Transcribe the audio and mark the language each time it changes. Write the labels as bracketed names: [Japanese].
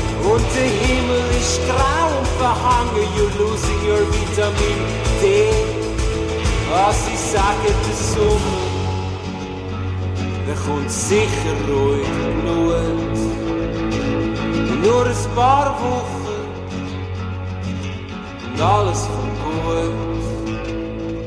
[German] Und der Himmel ist grau und verhangen. [English] You're losing your Vitamin D. [German] Was sie sagen, der Sommer, der kommt sicher ruhig genug. Nur ein paar Wochen und alles kommt gut.